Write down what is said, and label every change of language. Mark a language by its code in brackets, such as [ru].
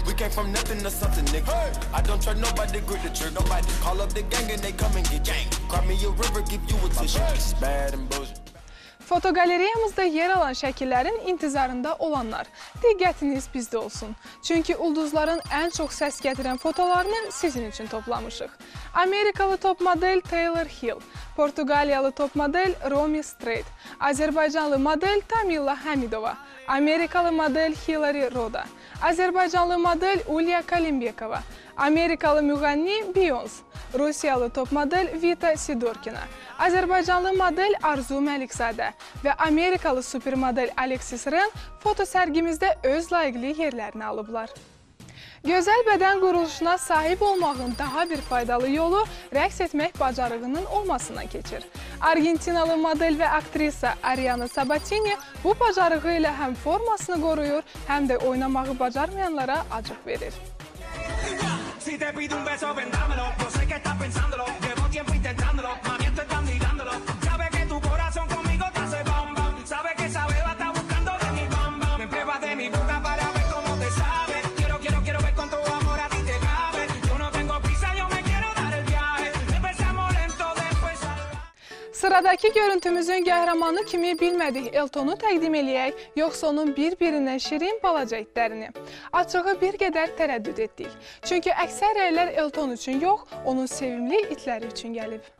[en] We came from nothing to something, nigga. Hey. I don't trust nobody, grip the trigger. Nobody call up the gang and they come and get gang. Cry me a river, give you a tissue. It's bad and bullshit. [az] Fotogaleriyamızda yer alan şəkillərin intizarında olanlar, diqqətiniz bizdə olsun. Çünki ulduzların ən çox səs gətirən fotolarını sizin üçün toplamışıq. Amerikalı top model Taylor Hill, Portugaliyalı top model Romy Strait, Azərbaycanlı model Tamila Hamidova, Amerikalı model Hillary Roda, Azərbaycanlı model Ulya Kalimbekova, Amerikalı müğənni Beyoncé, Rusiyalı top model Vita Sidorkina, Azərbaycanlı model Arzu Məlikzadə və Amerikalı supermodel Alexis Ren foto sərgimizdə öz layiqli yerlərini alıblar. Gözəl bədən quruluşuna sahib olmağın daha bir faydalı yolu rəqs etmək bacarığının olmasından keçir. Argentinalı model və aktrisa Ariana Sabatini bu bacarığı ilə həm formasını qoruyur, həm də oynamağı bacarmayanlara acıq verir. [es] Si te pido un beso, ven dámelo. Yo sé que estás pensándolo. Llevo tiempo intentándolo. Mami, esto está mirándolo. Sabes que tu corazón conmigo te hace bam bam. Sabes que esa beba está buscando de mi bam bam. Me pruebas de mi boca para ver cómo te sabe. Quiero ver cuánto amor a ti te cabe. Yo no tengo prisa, yo me quiero dar el viaje. Empezamos lento, después [az] Sıradakı görüntümüzün qəhrəmanı kimi bilmədik Eltonu təqdim eləyək, yoxsa onun bir-birindən şirin balaca itlərini. Açığı bir qədər tərəddüd etdik. Çünki əksər rəylər Elton üçün yox, onun sevimli itləri üçün gəlib.